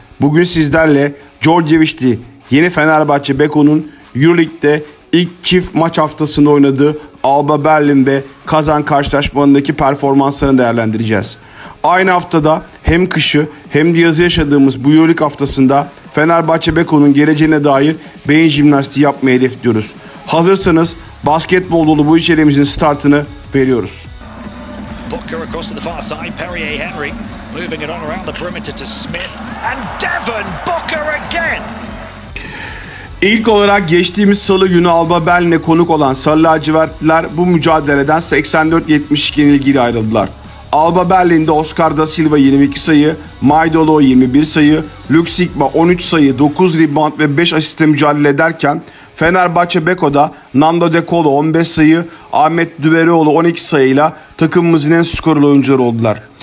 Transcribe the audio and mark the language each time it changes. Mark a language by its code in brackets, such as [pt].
[tr] Bugün sizlerle Georgievich'ti yeni Fenerbahçe Beko'nun Euroleague'de ilk çift maç haftasında oynadığı Alba Berlin'de kazan karşılaşmasındaki performanslarını değerlendireceğiz. Aynı haftada hem kışı hem de yazı yaşadığımız bu Euroleague haftasında Fenerbahçe Beko'nun geleceğine dair beyin jimnastiği yapmayı hedefliyoruz. Hazırsanız basketbol dolu bu içeriğimizin startını veriyoruz. [en] Booker across to the far side, Perrier Henry moving it on around the perimeter to Smith and Devin Booker again. [tr] İlk olarak geçtiğimiz salı günü Alba Berlin'e konuk olan Sarı Lacivertliler bu mücadeleden 84-72 yenilgiyle ayrıldılar. Alba Berlin'de Oscar da Silva 22 sayı, Maidolo 21 sayı, Luke Sigma 13 sayı, 9 rebound ve 5 asiste mücadele ederken Fenerbahçe Beko'da Nando De Colo 15 sayı, Ahmet Düverioğlu 12 sayıyla takımımızın en skorlu oyuncuları oldular.